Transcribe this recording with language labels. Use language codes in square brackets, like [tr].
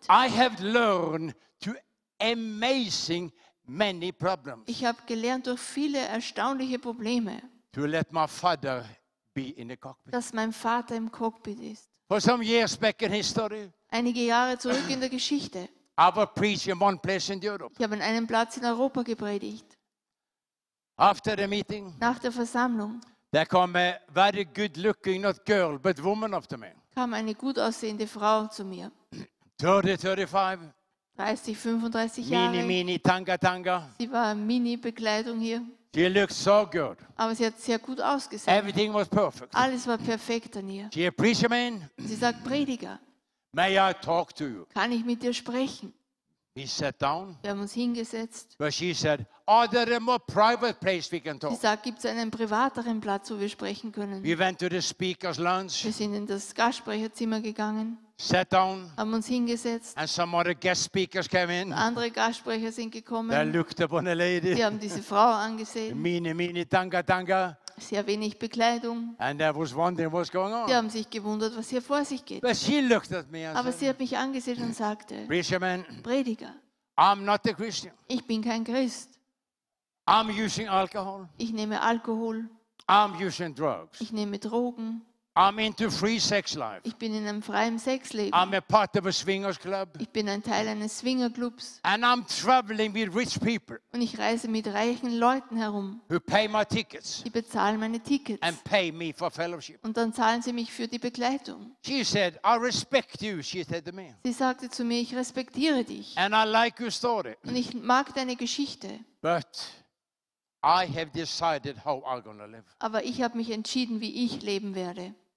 [en] I have learned to amazing many problems. [de] Ich habe gelernt durch viele erstaunliche Probleme. [en] To let my father be in the cockpit. [de] Dass mein Vater im Cockpit ist. [en] For some years back in history. [de] Einige Jahre zurück in der Geschichte. [en] I was preaching one place in Europe. [de] Ich habe an einem Platz in Europa gepredigt. [en] After the meeting. [de] Nach der Versammlung. [en] There came a very good-looking, not girl, but woman after me. [de] Kam eine gut aussehende Frau zu mir. [en] 35 [de] Jahre. [en] Mini Tanga. [de] Sie war Mini Bekleidung hier. [en] She looked so good. [de] Aber sie hat sehr gut ausgesehen. [en] Everything was perfect. [de] Alles war perfekt an ihr. [en] She a preacher man. [de] Sie sagt Prediger. [en] May I talk to you? [de] Kann ich mit dir sprechen? [en] He sat down. [de] Wir haben uns hingesetzt. [en] But she said, are there a more private place we can talk? [de] Sie sagt, gibt es einen privateren Platz, wo wir sprechen können? [en] We went to the speaker's lounge. [de] Wir sind in das Gastsprecherzimmer gegangen. [en] Sat down. [de] Haben uns hingesetzt. [en] And some other guest speakers came in. [de] Andere Gastsprecher sind gekommen. [en] They looked upon a lady. [de] Sie haben diese Frau angesehen. [en] Mini Tanga. [de] Sehr wenig Bekleidung. [en] And I was wondering what's going on. [de] Sie haben sich gewundert, was hier vor sich geht. [en] But she looked at me and [de] aber sie hat mich angesehen und sagte, [en] Preacherman, [de] Prediger, [en] I'm not a Christian. [de] Ich bin kein Christ. [en] I'm using alcohol. [de] Ich nehme Alkohol. [en] I'm using drugs. [de] Ich nehme Drogen. [en] I'm into free sex life. [de] Ich bin in einem freien Sexleben. [en] I'm a part of a swingers club. [de] Ich bin ein Teil eines Swingerclubs. [en] And I'm traveling with rich people. [de] Und ich reise mit reichen Leuten herum. [en] Who pay my tickets. [de] Die bezahlen meine Tickets. [en] And pay me for fellowship. [de] Und dann zahlen sie mich für die Begleitung. [en] She said, I respect you, she said to me. [de] Sie sagte zu mir, ich respektiere dich. [en] And I like your story. [de] Und ich mag deine Geschichte. [en] But I have decided how I'm going to live. [de] Aber ich habe mich entschieden, wie ich leben werde.